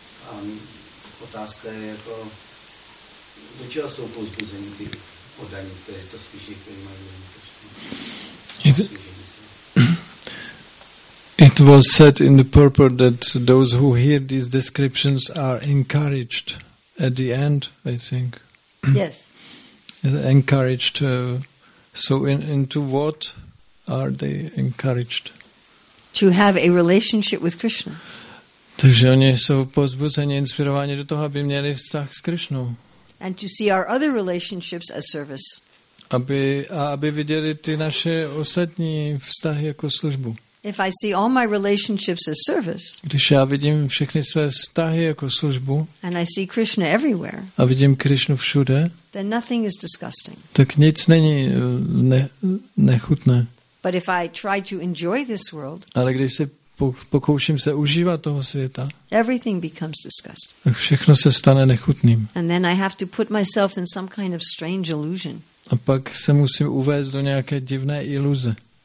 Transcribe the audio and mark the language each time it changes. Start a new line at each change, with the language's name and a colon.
Czech: A otázka je, jako, do čeho jsou pozbuzení ty oddaní, které to slyší, které mají vědomí Krišny.
English: It was said in the purport that those who hear these descriptions are encouraged at the end, I think. Yes. Encouraged So into what are they encouraged? To have a relationship with Krishna.
Czech: Takže oni jsou pozbuzeni, inspirováni do toho, aby měli vztah s Krishnou.
English: And to see our other relationships as service.
Czech: Aby viděli ty naše ostatní vztahy jako službu.
English: If I see all my relationships as service.
Czech: Když já vidím všechny své vztahy jako službu.
English: And I see Krishna everywhere.
Czech: A vidím Krishnu všude.
English: Then nothing is disgusting.
Czech: Tak nic není nechutné.
English: But if I try to enjoy this world.
Czech: Ale když se pokouším se užívat toho světa.
English: Everything becomes disgusting.
Czech: Tak všechno se stane nechutným.
English: And then I have to put myself in some kind of strange illusion.
Czech: A pak se musím uvést do nějaké divné iluze.